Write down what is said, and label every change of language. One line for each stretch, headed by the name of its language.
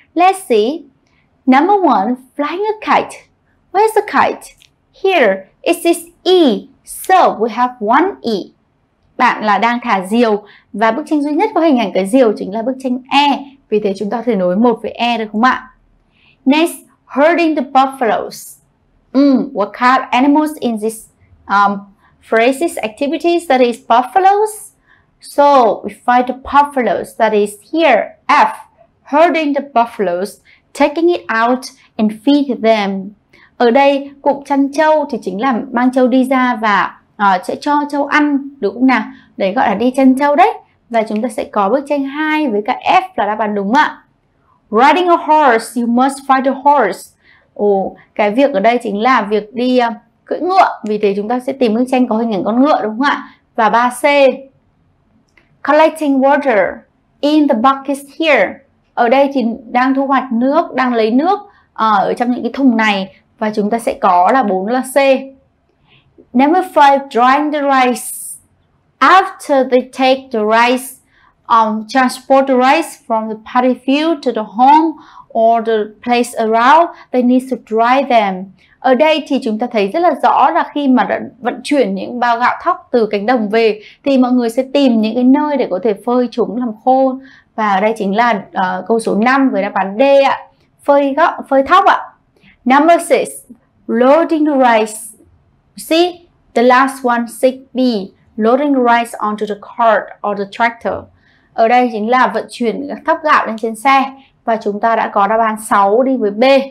English: Let's see. Number 1, flying a kite. Where's the kite? Here, it says E. So we have one E.
Vietnamese: Bạn là đang thả diều và bức tranh duy nhất có hình ảnh cái diều chính là bức tranh E. Vì thế chúng ta có thể nối một với E được không ạ?
English: Next, herding the buffaloes. What kind of animals in this phrases, activities, that is buffaloes? So we find the buffaloes, that is here, F, herding the buffaloes, taking it out and feed them.
Vietnamese: Ở đây, cụm chăn trâu thì chính là mang trâu đi ra và sẽ cho trâu ăn, đúng không nào? Đấy gọi là đi chăn trâu đấy. Và chúng ta sẽ có bức tranh 2 với cả F là đáp án đúng ạ.
English: Riding a horse, you must find a horse.
Vietnamese: Cái việc ở đây chính là việc đi cưỡi ngựa. Vì thế chúng ta sẽ tìm bức tranh có hình ảnh con ngựa, đúng không ạ? Và 3C.
English: Collecting water in the buckets here.
Vietnamese: Ở đây thì đang thu hoạch nước, đang lấy nước ở trong những cái thùng này. Và chúng ta sẽ có là 4 là C.
English: Number 5, drying the rice. After they take the rice, transport the rice from the paddy field to the home or the place around, they need to dry them.
Vietnamese: Ở đây thì chúng ta thấy rất là rõ là khi mà đã vận chuyển những bao gạo thóc từ cánh đồng về thì mọi người sẽ tìm những cái nơi để có thể phơi chúng làm khô. Và ở đây chính là câu số 5 với đáp án D ạ. Phơi thóc ạ.
English: Number 6, loading the rice. See, the last one, 6B, loading rice onto the cart or the tractor.
Vietnamese: Ở đây chính là vận chuyển thóc gạo lên trên xe. Và chúng ta đã có đáp án 6 đi với B.